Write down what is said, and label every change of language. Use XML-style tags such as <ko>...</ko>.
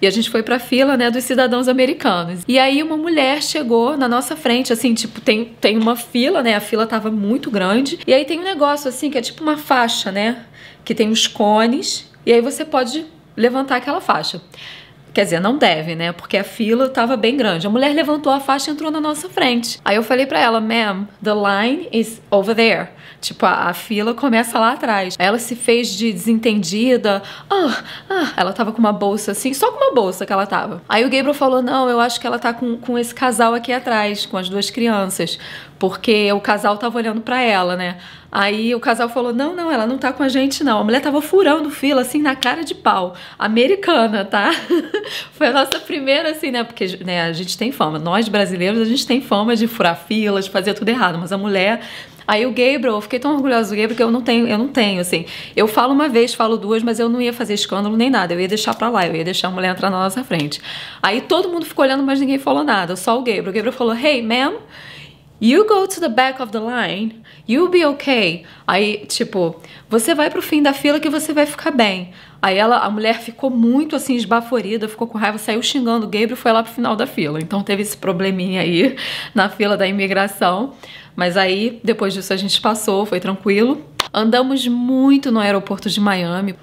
<pt>E a gente foi pra fila, né, dos cidadãos americanos. E aí uma mulher chegou na nossa frente, assim, tipo, tem uma fila, né, a fila tava muito grande. E aí tem um negócio, assim, que é tipo uma faixa, né, que tem uns cones, e aí você pode levantar aquela faixa. Quer dizer, não deve, né? Porque a fila tava bem grande. A mulher levantou a faixa e entrou na nossa frente. Aí eu falei pra ela,</pt> <en>ma'am, the line is over there.</en> <pt>Tipo, a fila começa lá atrás. Ela se fez de desentendida. Ela tava com uma bolsa assim, só com uma bolsa que ela tava. Aí o Gabriel falou, não, eu acho que ela tá com esse casal aqui atrás, com as duas crianças. Porque o casal tava olhando pra ela, né? Aí o casal falou, não, não, ela não tá com a gente, não. A mulher tava furando fila, assim, na cara de pau. Americana, tá? Foi a nossa primeira, assim, né? Porque, né, a gente tem fama. Nós, brasileiros, a gente tem fama de furar fila, de fazer tudo errado. Mas a mulher... Aí o Gabriel, eu fiquei tão orgulhosa do Gabriel que eu não tenho, assim. Eu falo uma vez, falo duas, mas eu não ia fazer escândalo nem nada. Eu ia deixar pra lá, eu ia deixar a mulher entrar na nossa frente. Aí todo mundo ficou olhando, mas ninguém falou nada. Só o Gabriel. O Gabriel falou,</pt> <en>hey, ma'am... You go to the back of the line, you'll be okay.</en> <pt>Aí, tipo, você vai pro fim da fila que você vai ficar bem. Aí a mulher ficou muito, assim, esbaforida, ficou com raiva, saiu xingando o Gabriel e foi lá pro final da fila. Então teve esse probleminha aí na fila da imigração. Mas aí, depois disso, a gente passou, foi tranquilo. Andamos muito no aeroporto de Miami.</pt>